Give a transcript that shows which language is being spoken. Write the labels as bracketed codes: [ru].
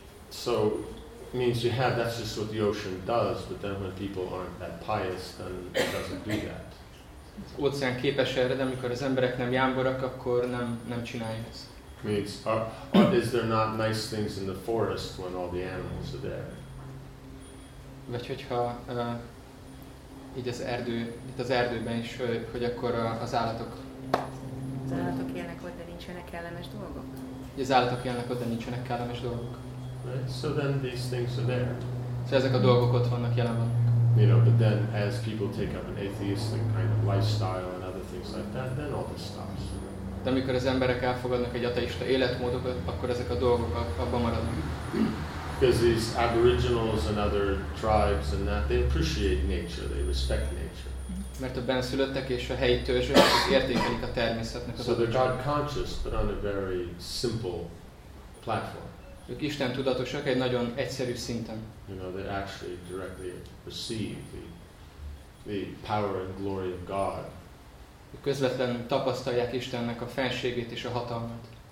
[en] So, it means you have, that's just what the ocean does, but then when people aren't that pious, then it doesn't do that. [hu] Az óceán képes erre, de amikor az emberek nem jámborak, akkor nem csinálja ezt. [en] Means, are, is there not nice things in the forest when all the animals are there? [hu] Vagy hogyha így az erdő, itt az erdőben is, hogy akkor az állatok. Az állatok élnek ott, de nincsenek kellemes dolgok? Az állatok élnek ott, de nincsenek kellemes dolgok. [en] Right. So then these things are there. [hu] So ezek a dolgok ott vannak, jelen vannak. [en] You know, but then as people take up an atheistic kind of lifestyle and other things like that, then all this stops. [hu] De amikor az emberek elfogadnak egy ateista életmódot, akkor ezek a dolgok abban maradnak. [en] Because these aboriginals and other tribes and that, they appreciate nature, they respect nature. [hu] Mert a benszülöttek és a helyi törzsök értékelik a természetnek. [en] So they're God conscious, but on a very simple platform. [hu] Ők Isten tudatosak egy nagyon egyszerű szinten. [en] You know, they actually directly receive the power and glory of God. [hu] Ők közvetlenül tapasztalják Istennek a fenségét és a hatalmat.